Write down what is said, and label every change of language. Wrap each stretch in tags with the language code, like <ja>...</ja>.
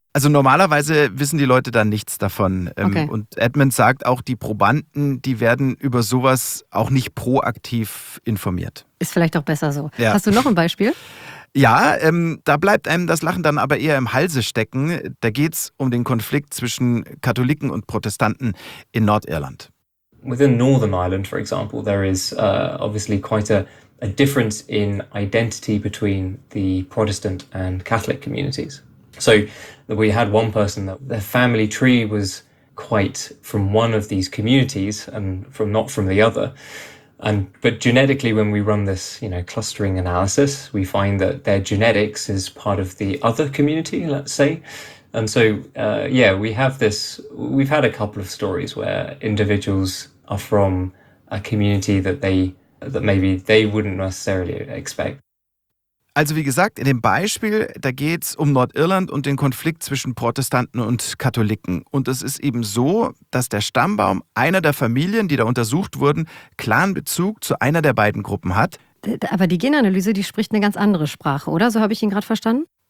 <de>Also normalerweise wissen die Leute dann nichts davon. Okay. Und Edmund sagt auch, die Probanden, die werden über sowas auch nicht proaktiv informiert. Ist vielleicht auch besser so. Ja. Hast du noch ein Beispiel? Ja, da bleibt einem das Lachen dann aber eher im Halse stecken. Da geht's um den Konflikt zwischen Katholiken und Protestanten in Nordirland.</de> <en>Within Northern Ireland, for example, there is obviously quite a difference in identity between the Protestant and Catholic communities. So we had one person that their family tree was quite from one of these communities and from not from the other. And but genetically, when we run this, you know, clustering analysis, we find that their genetics is part of the other community, let's say. And so, we have this, we've had a couple of stories where individuals are from a community that maybe they wouldn't necessarily expect.</en> <de>Also wie gesagt, in dem Beispiel, da geht es um Nordirland und den Konflikt zwischen Protestanten und Katholiken. Und es ist eben so, dass der Stammbaum einer der Familien, die da untersucht wurden, klaren Bezug zu einer der beiden Gruppen hat. Aber die Genanalyse, die spricht eine ganz andere Sprache, oder? So habe ich ihn gerade verstanden?</de>